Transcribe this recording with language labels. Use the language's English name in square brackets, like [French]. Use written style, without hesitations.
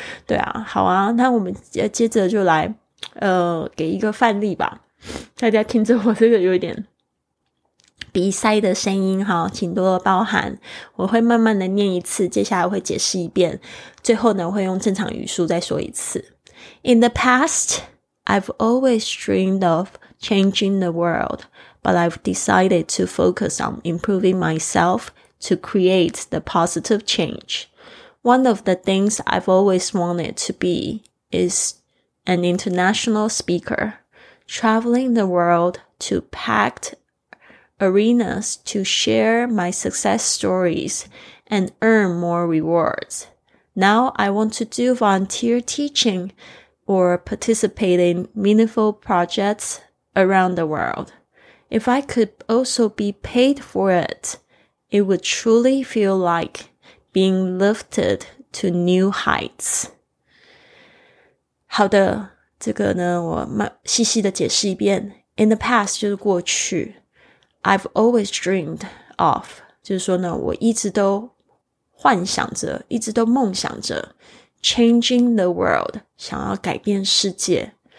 [Chinese] 对啊，好啊，那我们接着就来给一个范例吧，大家听着我这个有点鼻塞的声音哈，请多多包涵，我会慢慢的念一次，接下来会解释一遍，最后呢会用正常语速再说一次。 [English] In the past, I've always dreamed of changing the world, but I've decided to focus on improving myself to create the positive change. One of the things I've always wanted to be is an international speaker, traveling the world to packed arenas to share my success stories and earn more rewards. Now I want to do volunteer teaching or participate in meaningful projects around the world. If I could also be paid for it, it would truly feel like being lifted to new heights. [Chinese] 好的，这个呢，我细细的解释一遍。 [English] In the past [Chinese] 就是过去。 [English] I've always dreamed of, [Chinese] 就是说呢，我一直都幻想着，一直都梦想着 [English] changing the world, [Chinese] 想要改变世界。